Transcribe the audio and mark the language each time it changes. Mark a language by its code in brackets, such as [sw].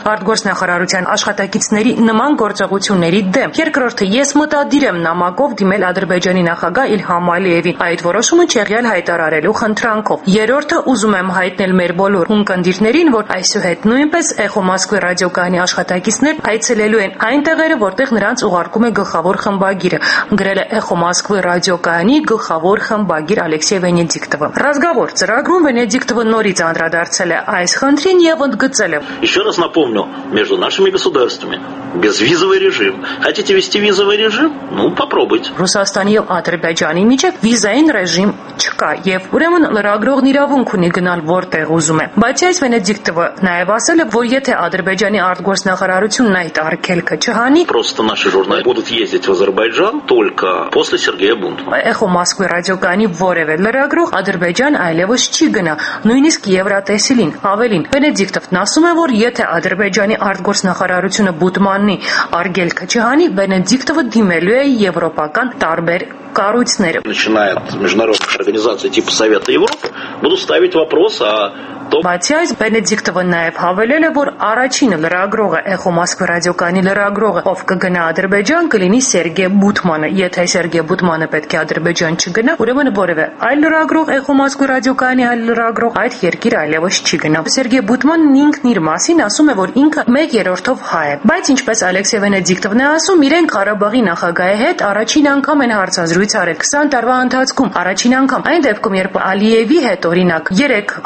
[hy] արտգործնախարարության աշխատակիցների նման գործողությունների դեմ։ Երկրորդը, ես մտադիր եմ նամակով դիմել Ադրբեջանի նախագահ Իլհամ Ալիևին, այդ որոշումը չեղյալ հայտարարելու խնդրանքով։ Երրորդը, ուզում եմ հայտնել մեր բոլոր հունկնդիրներին, որ այսուհետ նույնպես Էխո Մոսկվի ռադիոկայանի աշխատակիցներ այցելելու են այն տեղերը, որտեղ նրանց ուղարկում է գլխավոր խմբագիրը, գրել է Էխո Մոսկվի ռադիոկայանի գլխավոր խմբագիր Ալեքսեյ Վենեդիկտովը։ Ռազմավոր ծրագրում Վենեդիկտովը նորից անդրադարձել է այս խնդրին և ընդգծել է. [ru] Хотите вести визовый режим? Ну, попробуйте. [hy] Ռուսաստանի և Ադրբեջանի միջև վիզային ռեժիմ չկա, և ուրեմն լրագրողն իրավունք ունի գնալ որտեղ ուզում է։ Բայց այս Վենեդիկտովը նաև ասել է, որ եթե Ադրբեջանի արտգործնախարարությունն այդ արգելքը չհանի, [ru] просто наши журналисты будут ездить в Азербайджан только после Сергея Бунтмана. [hy] Էխո Մոսկվի ռադիոկայանի որևէ լրագրող Ադրբեջան այլևս չի գնա, նույնիսկ Եվրատեսիլին։ Ավելին, Վենեդիկտովն ասում է, որ եթե Ադրբեջանի արտգործնախարարությունը Բուտմաննի արգելքը չհանի, Վենեդիկտովը դիմելու է եվրոպական տարբեր կառույցները։ [ru] Начинает международные организации типа Совета Европы будут ставить вопрос о [hy] Բացի այդ, Վենեդիկտովը նաև հավելել է, որ առաջինը լրագրողը Էխո Մոսկվի ռադիոկայանի լրագրողը, ով կգնա Ադրբեջան, կլինի Սերգե Բուտմանը։ Եթե Սերգե Բուտմանը պետք է Ադրբեջան չգնա, ուրեմն որևէ այլ լրագրող, Էխո Մոսկվի ռադիոկայանի այլ լրագրող այդ երկիր այլևս չի գնա։ Սերգե Բուտմանն ինքն իր մասին ասում է, որ ինքը 1/3-ով հայ է, բայց ինչպես Ալեքսեյ Վենեդիկտովն է ասում, իրեն Ղարաբաղի նախագահի հետ առաջին անգամ են հարցազրույց արել 20 տարվա ընթացքում, առաջին անգամ։ Այն դեպքում, երբ Ալիևի հետ օրինակ 3